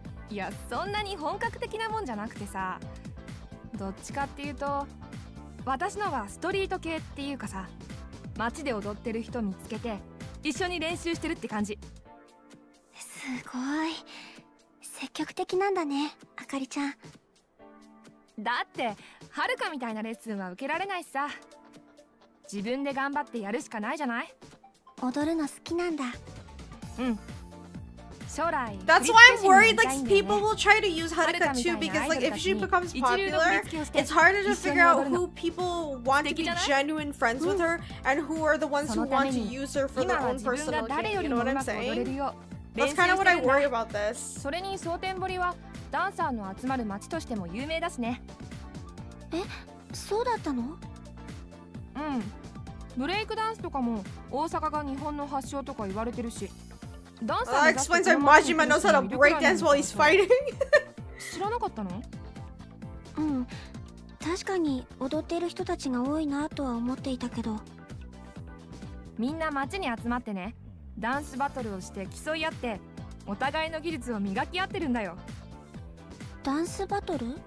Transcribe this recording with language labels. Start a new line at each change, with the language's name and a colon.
Japanese: いや、そんなに本格的なもんじゃなくてさ、どっちかっていうと私のはストリート系っていうかさ、街で踊ってる人見つけて一緒に練習してるって感じ。すごい積極的なんだね、あかりちゃん。だってはるかみたいなレッスンは受けられないしさ、自分で頑張ってやるしかないじゃない。踊るの好きなんだ。
English: That's why I'm worried, like, people will try to use Haruka too, because, like, if she becomes popular, it's harder to figure out who people want to be genuine friends with her and who are the ones who want to use her for their own personal gain. You know what I'm saying? That's kind of what I worry about this.
Japanese: それに蒼天堀はダンサーの集まる街としても有名だしね。え、そうだったの？うん。ブレイクダンスとかも大阪が日本の発祥とか言われてるし。
English: Explains why Majima knows how to break dance while he's fighting.
Japanese: 知らなかったの？うん、確かに踊ってる人たちが多いなとは思っていたけど。みんな街に集まってね、ダンスバトルをして競い合って、お互いの技術を磨き合ってるんだよ。ダンスバトル？